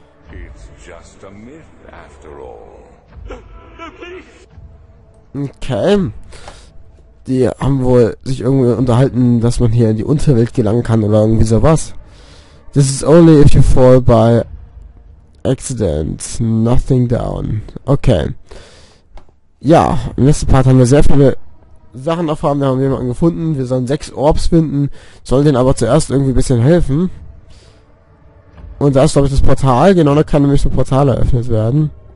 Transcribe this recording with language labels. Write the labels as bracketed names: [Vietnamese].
[English] It's just a myth after all. No, please. Okay. [German] Die haben wohl sich irgendwie unterhalten, dass man hier in die Unterwelt gelangen kann oder irgendwie sowas. [English] This is only if you fall by accident. Nothing down. Okay. [German] Ja, im letzten Part haben wir sehr viele Sachen erfahren. Wir haben jemanden gefunden. Wir sollen 6 Orbs finden. Sollen denen aber zuerst irgendwie ein bisschen helfen. Und da ist, glaube ich, das Portal. Genau, da kann nämlich ein Portal eröffnet werden.